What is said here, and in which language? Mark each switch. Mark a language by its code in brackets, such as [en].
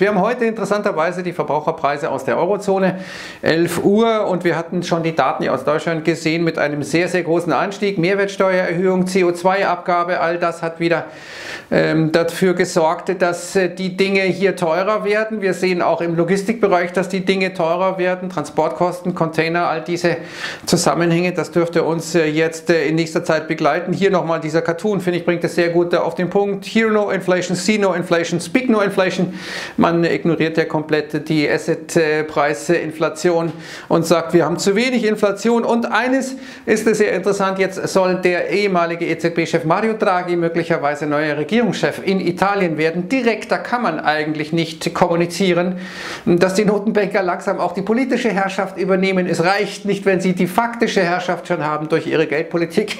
[de] Wir haben heute interessanterweise die Verbraucherpreise aus der Eurozone, 11 Uhr und wir hatten schon die Daten hier aus Deutschland gesehen mit einem sehr, sehr großen Anstieg, Mehrwertsteuererhöhung, CO2-Abgabe, all das hat wieder dafür gesorgt, dass die Dinge hier teurer werden. Wir sehen auch im Logistikbereich, dass die Dinge teurer werden, Transportkosten, Container, all diese Zusammenhänge, das dürfte uns jetzt in nächster Zeit begleiten. Hier noch mal dieser Cartoon, finde ich, bringt das sehr gut auf den Punkt. [en] Hear no inflation, see no inflation, speak no inflation. [de] Man ignoriert ja komplett die Asset-Preise-Inflation und sagt, wir haben zu wenig Inflation. Und eines ist es sehr interessant, jetzt soll der ehemalige EZB-Chef Mario Draghi möglicherweise neuer Regierungschef in Italien werden. Direkter kann man eigentlich nicht kommunizieren. Dass die Notenbanker langsam auch die politische Herrschaft übernehmen, es reicht nicht, wenn sie die faktische Herrschaft schon haben durch ihre Geldpolitik.